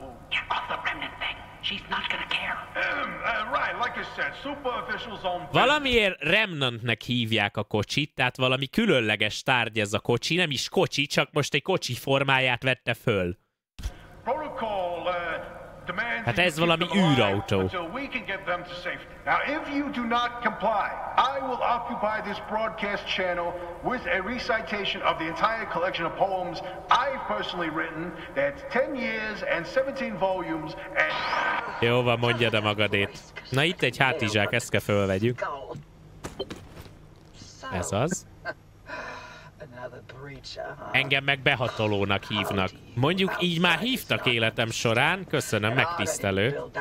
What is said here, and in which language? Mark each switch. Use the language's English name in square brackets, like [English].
[English] Get off the remnant thing. She's not gonna care. Right, like I said, super official zone. [Hungarian] Valamiért Remnantnek hívják a kocsit, tehát valami különleges tárgy ez a kocsi, nem is kocsi, csak most egy kocsi formáját vette föl. [English] Protocol, [Hungarian] hát ez valami űrautó. [English] Now, if you do not comply, I will occupy this broadcast channel with a recitation of the entire collection of poems I've personally written. That's 10 years and 17 volumes. [Hungarian] Jó van, mondja a magadét. Na itt egy hátizsák, ezt kell fölvegyük. Ez az. Engem meg behatolónak hívnak. Mondjuk így már hívtak életem során, köszönöm, megtisztelő.